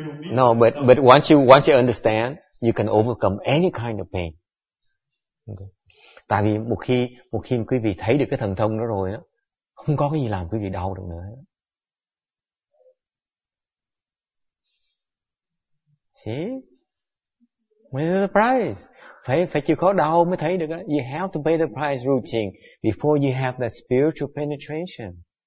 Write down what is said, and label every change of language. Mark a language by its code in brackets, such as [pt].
[en] No, but once you understand, you can overcome any kind of pain. Okay. [vi] Tại vì một khi quý vị thấy được cái thần thông đó rồi đó, không có cái gì làm quý vị đau được nữa. [en] See? Where's the price? [vi] Phải chịu khó đau mới thấy được. [en] You have to pay the price routine before you have that spiritual penetration.